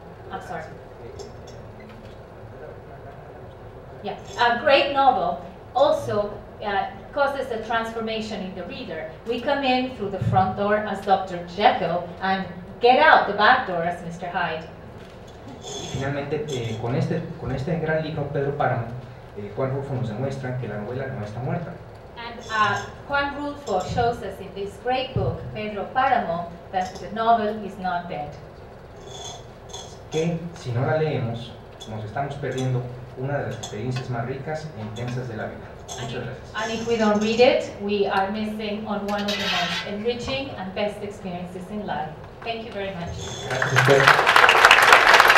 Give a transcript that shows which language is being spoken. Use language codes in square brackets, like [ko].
[en] I'm sorry. Yeah, a great novel also causes a transformation in the reader. We come in through the front door as Dr. Jekyll and get out the back door as Mr. Hyde. [es] Y finalmente, con este gran libro, Pedro Páramo, Juan Rulfo nos demuestra que la novela no está muerta. [en] And Juan Rulfo shows us in this great book, Pedro Páramo, that the novel is not dead. [es] Que si no la leemos, nos estamos perdiendo una de las experiencias más ricas e intensas de la vida. [en] And if we don't read it, we are missing on one of the most enriching and best experiences in life. Thank you very much. [es] Gracias.